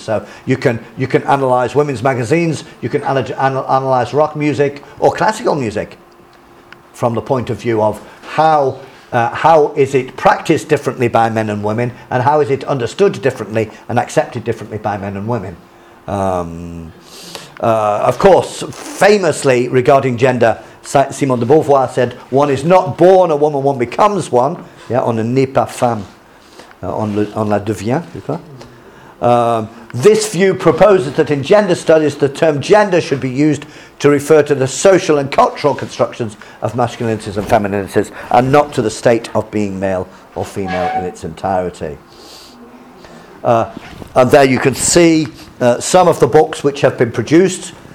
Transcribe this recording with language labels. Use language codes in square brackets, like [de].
[en] So you can analyse women's magazines, you can analyse rock music or classical music from the point of view of how is it practiced differently by men and women, and how is it understood differently and accepted differently by men and women. Of course, famously regarding gender, Simone de Beauvoir said, "One is not born a woman; one becomes one." [fr] Yeah, on n'est pas femme, on la devient. [en] This view proposes that in gender studies, the term gender should be used to refer to the social and cultural constructions of masculinities and femininities, and not to the state of being male or female in its entirety. And there you can see some of the books which have been produced.